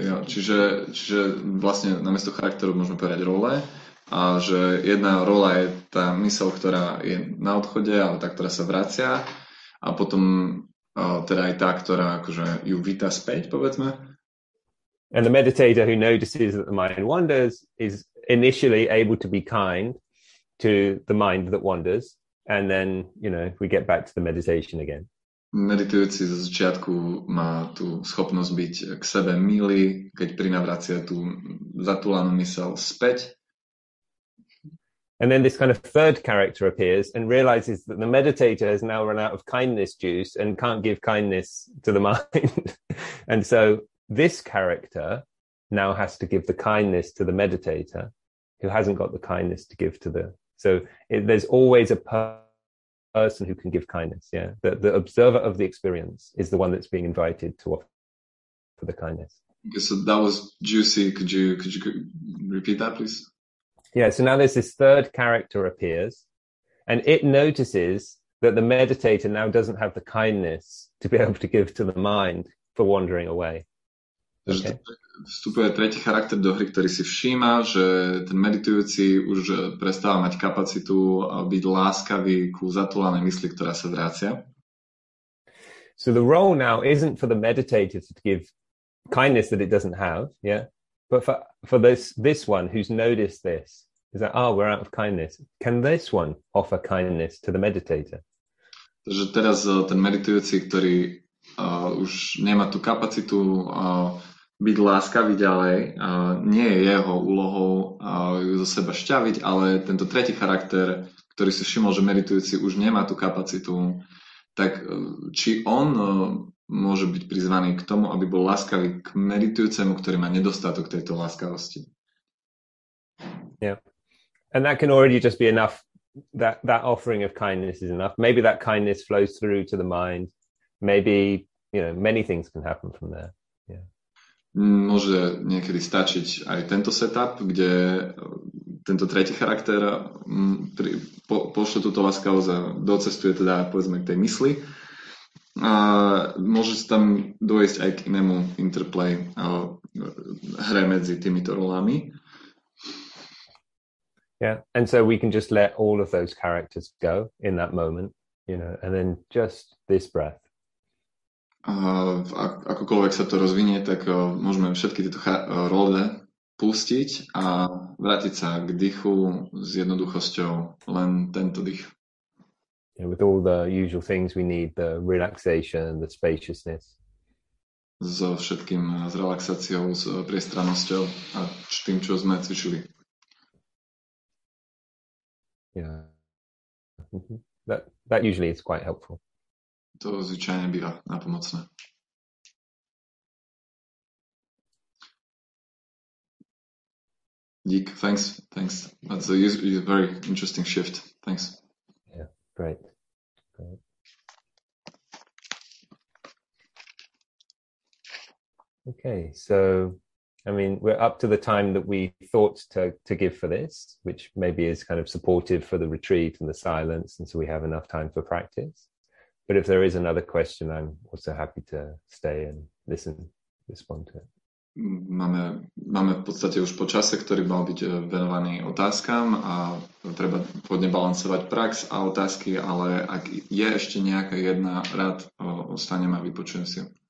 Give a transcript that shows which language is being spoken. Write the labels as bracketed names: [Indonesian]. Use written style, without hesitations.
[Slovak] Čiže vlastne namiesto charakteru môžeme povedať role, a že jedna rola je tá myseľ, ktorá je na odchode, ale tá, ktorá sa vracia, a potom teda aj tá, ktorá akože ju víta späť, povedzme. [English] And the meditator who notices that the mind wanders is initially able to be kind to the mind that wanders. And then, you know, we get back to the meditation again. [Slovak] Meditujúci zo začiatku má tú schopnosť byť k sebe milý, keď prinavracia tú zatúlanú mysel späť. [English] And then this kind of third character appears and realizes that the meditator has now run out of kindness juice and can't give kindness to the mind. And so this character now has to give the kindness to the meditator who hasn't got the kindness to give to the... So there's always a person who can give kindness, yeah? The observer of the experience is the one that's being invited to offer for the kindness. Okay, so that was juicy. Could you repeat that, please? Yeah, so now there's this third character appears, and it notices that the meditator now doesn't have the kindness to be able to give to the mind for wandering away. Okay. [Slovak] Vstupuje tretí charakter do hry, ktorý si všíma, že ten meditujúci už prestáva mať kapacitu byť láskavý ku zatúlanej mysli, ktorá sa vracia. [English] So the role now isn't for the meditator to give kindness that it doesn't have, yeah? But for this one who's noticed this, is that, oh, we're out of kindness. Can this one offer kindness to the meditator? [Slovak] Takže teraz ten meditujúci, ktorý už nemá tú kapacitu byť láskavý ďalej, nie je jeho úlohou ju zo seba šťaviť, ale tento tretí charakter, ktorý si všimol, že meditujúci už nemá tú kapacitu, tak či on môže byť prizvaný k tomu, aby bol láskavý k meditujúcemu, ktorý má nedostatok tejto láskavosti. [English] Yeah. And that can already just be enough. That offering of kindness is enough. Maybe that kindness flows through to the mind. Maybe, you know, many things can happen from there. Yeah. [Slovak] Môže niekedy stačiť aj tento setup, kde tento tretí charakter pošle túto láskavosť a docestuje teda, povedzme, k tej mysli. A môže sa tam dôjsť aj k inému interplay, hre medzi týmito rolami. [English] Yeah, and so we can just let all of those characters go in that moment, you know, and then just this breath. [Slovak] Akokoľvek sa to rozvinie, tak môžeme všetky tieto role pustiť a vrátiť sa k dýchu s jednoduchosťou, len tento dých. [English] Yeah, with all the usual things we need, the relaxation, the spaciousness. [Slovak] So všetkým s relaxáciou, s priestrannosťou a tým, čo sme cvičili. [English] Yeah. That usually is quite helpful. [Slovak] To zvyčajne býva napomocné. [English] Dík, thanks. That's a very interesting shift. Thanks. Yeah, great. Okay, so I mean, we're up to the time that we thought to give for this, which maybe is kind of supportive for the retreat and the silence, and so we have enough time for practice. But if there is another question, I'm also happy to stay and listen, respond to it. [Slovak] Máme v podstate už po čase, ktorý mal byť venovaný otázkam a treba vhodne balancovať prax a otázky, ale ak je ešte nejaká jedna, rád ostanem a vypočujem si.